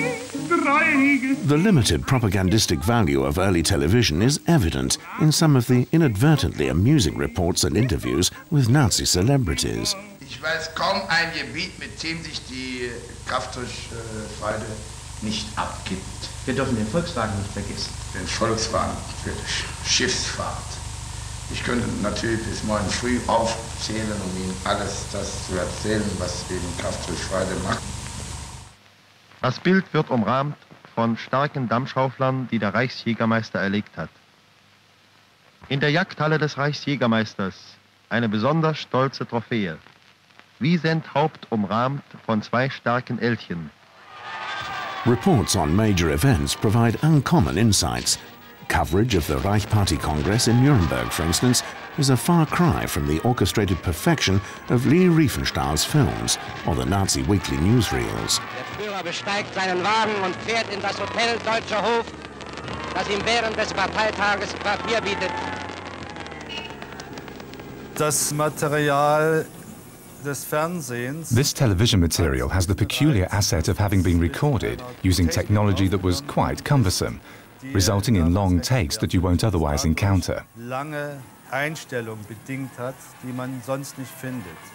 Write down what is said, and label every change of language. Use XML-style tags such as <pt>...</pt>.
<en>The limited propagandistic value of early television is evident in some of the inadvertently amusing reports and interviews with Nazi celebrities.</en> <de>Ich weiß kaum ein Gebiet, mit dem sich die Kraft durch Freude nicht abgibt. Wir dürfen den Volkswagen nicht vergessen. Den Volkswagen für die Schiffsfahrt. Ich könnte natürlich bis morgen früh aufzählen, um Ihnen alles das zu erzählen, was eben Kraft durch Freude macht. Das Bild wird umrahmt von starken Dampfschauflern, die der Reichsjägermeister erlegt hat. In der Jagdhalle des Reichsjägermeisters eine besonders stolze Trophäe. Wiesenthaupt umrahmt von zwei starken Elchen.</de> <en>Reports on major events provide uncommon insights. coverage of the Reich Party Congress in Nuremberg, for instance, is a far cry from the orchestrated perfection of Lee Riefenstahl's films or the Nazi weekly newsreels.</en> <de>Der Führer besteigt seinen Wagen und fährt in das Hotel Deutscher Hof, das ihm während des Parteitages Quartier bietet. Das Material des Fernsehens.</de> <en>This television material has the peculiar asset of having been recorded using technology that was quite cumbersome, resulting in long takes that you won't otherwise encounter.</en> <de>Lange Einstellung bedingt hat, die man sonst nicht findet.</de>